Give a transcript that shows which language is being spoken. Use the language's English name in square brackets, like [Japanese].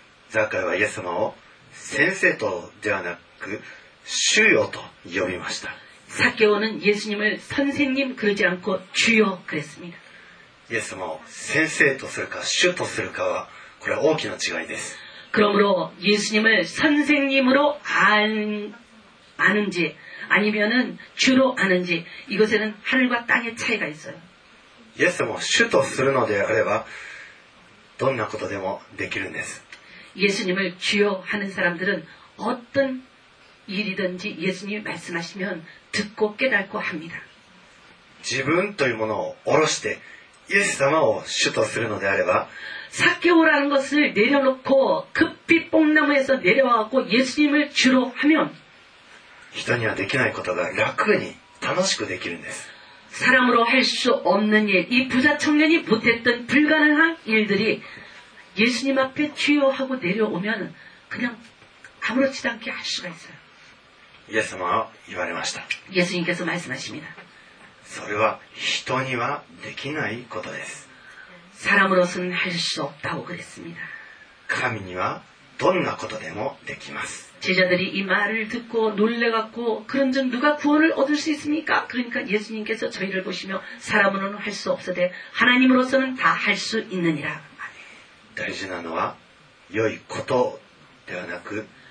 [Japanese] 자카이와예수様を先生とではなく주요と呼びました [Korean] 사케오는예수님을선생님그러지않고주요그랬습니다 [Japanese] 예수様を先生とするか主とするかはこれは大きな違いです [Korean] 그러므로예수님을선생님으로 아는지아니면은주로아는지이것에는하늘과땅의차이가있어요 [Japanese] 예수も主とするのであればどんなことでもできるんです [Korean] 예수님을주요하는사람들은어떤일이든지예수님이말씀하시면듣고깨닫고합니다 [Japanese] 自分というものを下ろしてイエス様を主とするのであれば [Korean] 사케오라는것을내려놓고급히뽕나무에서내려와서예수님을주로하면 [Japanese] 人にはできないことが楽に楽しくできるんです [Korean] 사람으로할수없는일이부자청년이못했던불가능한일들이예수님앞에주요하고내려오면그냥아무렇지않게할수가있어요 [Japanese] イエス様は言われました [Korean] 예수님께서말씀하십니다 [Japanese] それは人にはできないことです [Korean] 사람으로는할수없다고그랬습니다 [Japanese] 神にはどんなことでもできます [Korean] 제자들이이말을듣고놀래갖고그런즉누가구원을얻을수있습니까그러니까예수님께서저희를보시며사람으로는할수없어되하나님으로서는다할수있느니라 [Japanese] 大事なのは良いことではなく